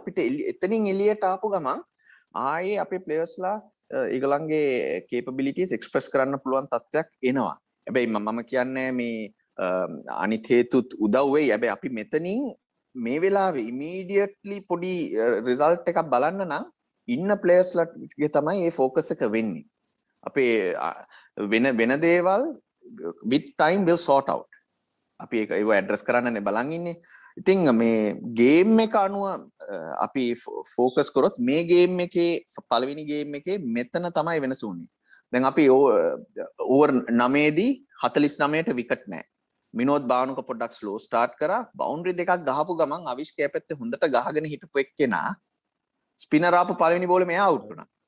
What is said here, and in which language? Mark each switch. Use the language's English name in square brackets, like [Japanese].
[Sinhala] අපිට එතනින් එළියට ආපු ගමන් ආයේ අපේ ප්ලේයර්ස්ලා ඒගොල්ලන්ගේ කේපබිලිටීස් එක්ස්ප්‍රෙස් කරන්න පුළුවන් තත්යක් එනවා. හැබැයි මම කියන්නේ මේ අනිත් හේතුත් උදව් වෙයි. හැබැයි අපි මෙතනින් මේ වෙලාවේ ඉමීඩියට්ලි පොඩි රිසල්ට් එකක් බලන්න නම් ඉන්න ප්ලේයර්ස්ලාගේ තමයි ඒ ફોකස් එක වෙන්නේ. අපේ වෙන දේවල් [English] with time will sort out. [Sinhala] අපි ඒක ඒව ඇඩ්‍රස් කරන්නනේ බලන් ඉන්නේ. ඉතින් මේ ගේම් එක අනුව අපි ફોකස් කරොත් මේ ගේම් එකේ පළවෙනි ගේම් එකේ මෙතන තමයි වෙනස උනේ. දැන් අපි ඕවර් 9දී 49ට විකට් නැහැ. මිනෝත් බානුක පොඩ්ඩක් [English] slow start [Sinhala] කරා. බවුන්ඩරි දෙකක් ගහපු ගමන් අවිෂ් කැපෙත්තේ හොඳට ගහගෙන හිටපු එක්කෙනා ස්පිනර් ආපු පළවෙනි බෝලේ මෙයා අවුට් වුණා.